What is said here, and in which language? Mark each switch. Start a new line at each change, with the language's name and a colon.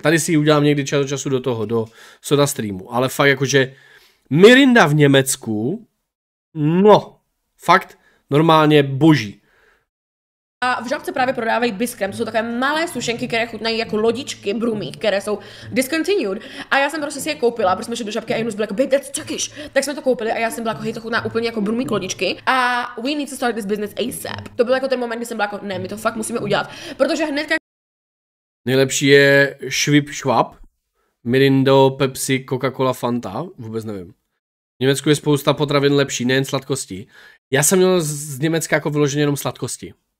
Czech: Tady si ji udělám někdy čas od času do toho, do soda streamu. Ale fakt jakože Mirinda v Německu, no, fakt normálně boží. A v Žabce právě prodávají biskrem, to jsou takové malé sušenky, které chutnají jako lodičky, brumy, které jsou discontinued. A já jsem prostě si je koupila, protože jsme šli do Žabky a Jonus byl jako,
English: babe, that's Turkish.
Czech: Tak jsme to koupili a já jsem byla jako, hej, to chutná úplně jako brumy lodičky.
English: A we need to start this business ASAP.
Czech: To byl jako ten moment, kdy jsem byla jako, ne, my to fakt musíme udělat. Protože hnedka... Nejlepší je švip švap, Mirindo, Pepsi, Coca-Cola, Fanta, vůbec nevím. V Německu je spousta potravin lepší, nejen sladkosti. Já jsem měl z Německa jako vyloženě jenom sladkosti.